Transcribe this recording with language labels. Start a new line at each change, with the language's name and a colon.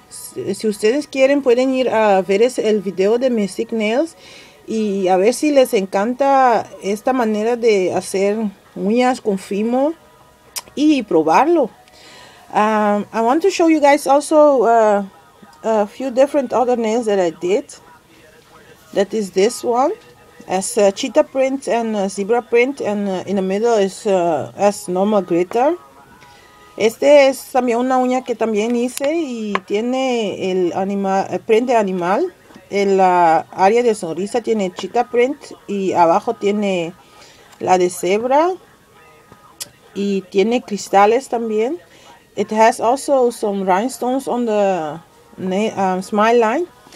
Spanish: Si ustedes quieren pueden ir a ver el video de Mystic Nails y a ver si les encanta esta manera de hacer uñas con Fimo y probarlo.
English: I want to show you guys also a few different other nails that I did. That is this one. As a cheetah print and a zebra print, and in the middle is as normal glitter.
Spanish: Este es también una uña que también hice y tiene el animal, print de animal. En la área de sonrisa tiene cheetah print y abajo tiene la de zebra y tiene cristales también.
English: It has also some rhinestones on the smile line.